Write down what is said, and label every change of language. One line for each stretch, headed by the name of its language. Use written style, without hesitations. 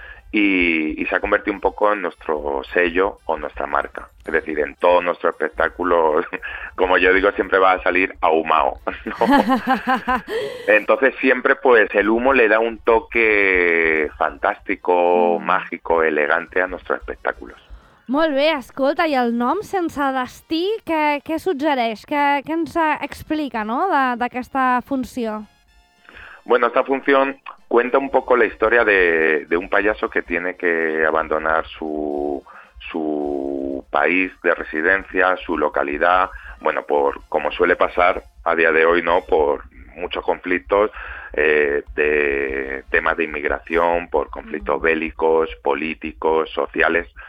Spanish: Y se ha convertido un poco en nuestro sello o nuestra marca. Es decir, en todo nuestro espectáculo, como yo digo, siempre va a salir ahumado, ¿no? Entonces siempre pues el humo le da un toque fantástico, mágico, elegante a nuestros espectáculos.
Catalan: Molt bé, escolta, i el nom Sense Destí, què suggereix? Què ens explica, no?, d'aquesta funció?
Spanish: Bueno, esta función cuenta un poco la historia de un payaso que tiene que abandonar su país de residencia, su localidad, bueno, por como suele pasar a día de hoy, ¿no?, por muchos conflictos de temas de inmigración, por conflictos bélicos, políticos, sociales.